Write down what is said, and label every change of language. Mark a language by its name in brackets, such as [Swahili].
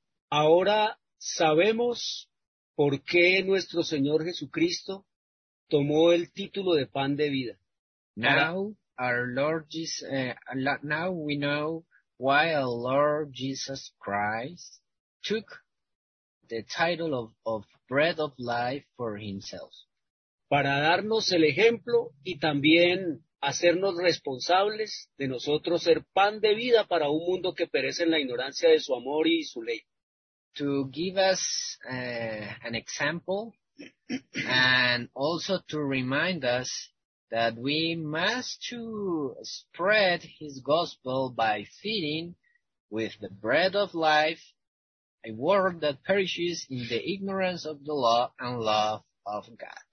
[Spanish] Ahora sabemos por qué nuestro Señor Jesucristo tomó el título de pan de vida. [English] Now we know why our Lord Jesus Christ took the title of bread of life for himself. [Spanish] Para darnos el ejemplo y también hacernos responsables de nosotros ser pan de vida para un mundo que perece en la ignorancia de su amor y su ley. [English] To give us an example and also to remind us that we must to spread his gospel by feeding with the bread of life, a world that perishes in the ignorance of the law and love of God.